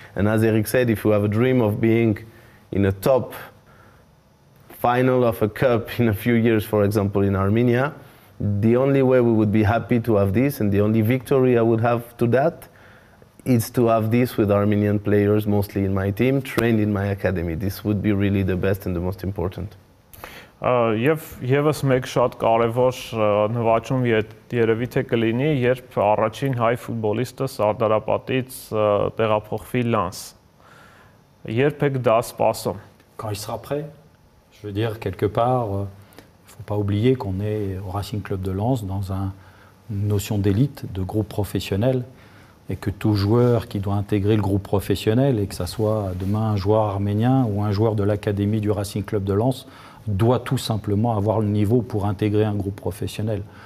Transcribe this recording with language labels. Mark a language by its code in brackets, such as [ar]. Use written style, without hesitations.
[en] And as Eric said, if you have a dream of being in a top final of a cup in a few years, for example, in Armenia, the only way we would be happy to have this and the only victory I would have to that is to have this with Armenian players, mostly in my team, trained in my academy. This would be really the best and the most important. [hy] Եվս մեկ շատ կարևոր նվաճում երևի թե կլինի, երբ առաջին հայ ֆուտբոլիստը Սարդար Ռապատից տեղափոխվի Լանս. Երբ եք դա սպասում? [fr] Quand il sera prêt, je veux dire, quelque part, il ne faut pas oublier qu'on est au Racing Club de Lens dans une notion d'élite, de groupe professionnel. Et que tout joueur qui doit intégrer le groupe professionnel, et que ce soit demain un joueur arménien ou un joueur de l'académie du Racing Club de Lens, doit tout simplement avoir le niveau pour intégrer un groupe professionnel.